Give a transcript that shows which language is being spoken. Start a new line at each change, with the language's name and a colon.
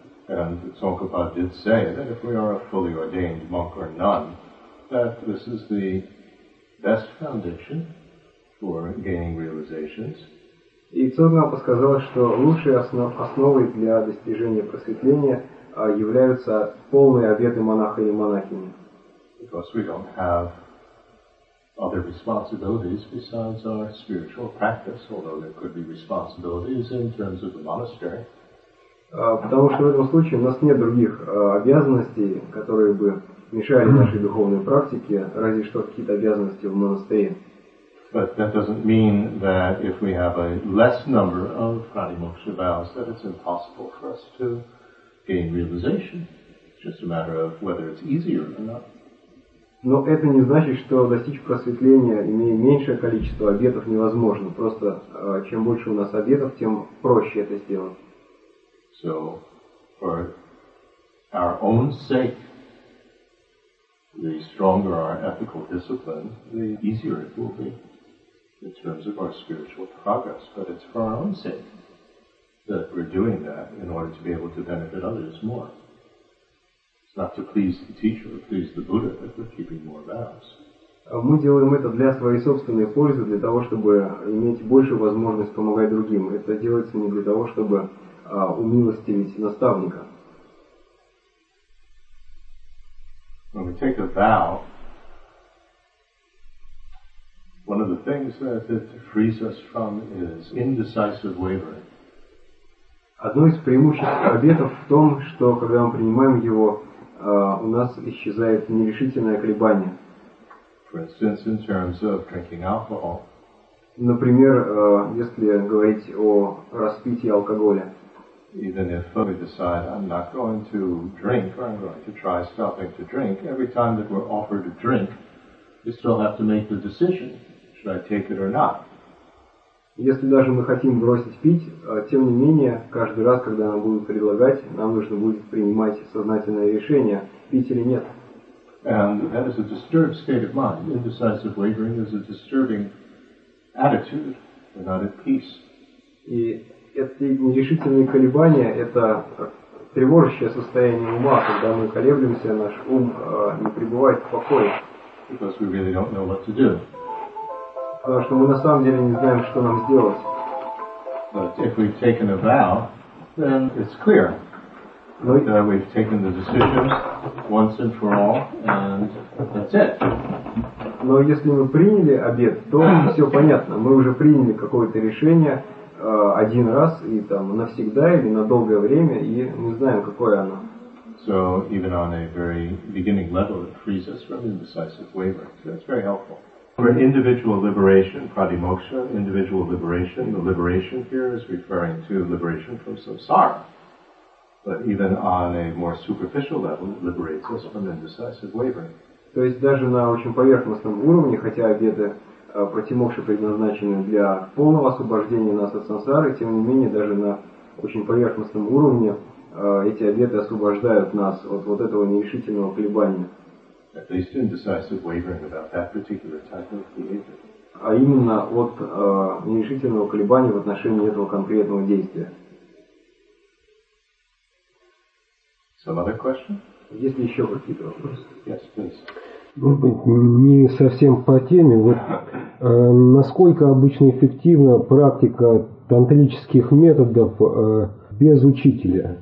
English: And Tsongkhapa did say that if we are a fully ordained monk or nun, that this is the best foundation for gaining realizations.
Russian: И Цонгапа сказал, что лучшей основой для достижения просветления являются полные обеты монаха или монахини.
English: Because we don't have other responsibilities besides our spiritual practice, although there could be responsibilities in terms of the monastery.
Russian: Потому что в этом случае у нас нет других обязанностей, которые бы мешали нашей духовной практике, разве что какие-то обязанности в монастыре.
English: But that doesn't mean that if we have a less number of pratimoksha vows that it's impossible for us to gain realization. It's just a matter of whether it's easier or not.
Russian: Но это не значит, что достичь просветления, имея меньшее количество обетов, невозможно. Просто чем больше у нас обетов, тем проще это сделать.
English: So, for our own sake, the stronger our ethical discipline, the easier it will be in terms of our spiritual progress. But it's for our own sake that we're doing that in order to be able to benefit others more. Not to please the teacher or please the Buddha, but we're keeping more vows.
Russian: Мы делаем это для своей собственной пользы, для того, чтобы иметь больше возможность помогать другим. Это делается не для того, чтобы умилостивить наставника.
English: When we take a vow, one of the things that it frees us from is indecisive wavering.
Russian: Одно из преимуществ обетов в том, что когда мы принимаем его, у нас исчезает нерешительное колебание.
English: For instance, in terms of drinking alcohol.
Russian: Например, если говорить о распитии алкоголя.
English: Even if we decide I'm not going to drink or I'm going to try stopping to drink, every time that we're offered a drink, we still have to make the decision, should I take it or not?
Russian: Если даже мы хотим бросить пить, тем не менее, каждый раз, когда нам будут предлагать, нам нужно будет принимать сознательное решение, пить или нет.
English: And that is a disturbed state of mind. Indecisive wavering is a disturbing attitude. We're not at peace.
Russian: И эти нерешительные колебания – это тревожащее состояние ума. Когда мы колеблемся, наш ум не пребывает в покое.
English: Because we really don't know what to do.
Russian: Потому что мы на самом деле не знаем, что нам сделать.
English: But if we've taken a vow, then it's clear that we've taken the decision once and for all, and that's it.
Russian: Но если мы приняли обет, то все понятно. Мы уже приняли какое-то решение один раз и там навсегда или на долгое время, и мы знаем, какое оно.
English: So even on a very beginning level, it frees us from indecisive wavering. So that's very helpful. For individual liberation, pratimoksha, individual liberation, the liberation here is referring to liberation from samsara. But even on a more superficial level, it liberates us from indecisive wavering.
Russian: То есть даже на очень поверхностном уровне, хотя обеты пратимокши предназначены для полного освобождения нас от сансары, тем не менее, даже на очень поверхностном уровне эти обеты освобождают нас от вот этого нерешительного колебания.
English: At least indecisive wavering about that particular type of behavior.
Russian: А именно от нерешительного колебания в отношении этого конкретного действия.
English: Some other question?
Russian: Есть еще какие-то вопросы?
English: Yes, please.
Russian: Не совсем по теме. Вот насколько обычно эффективна практика тантрических методов без учителя?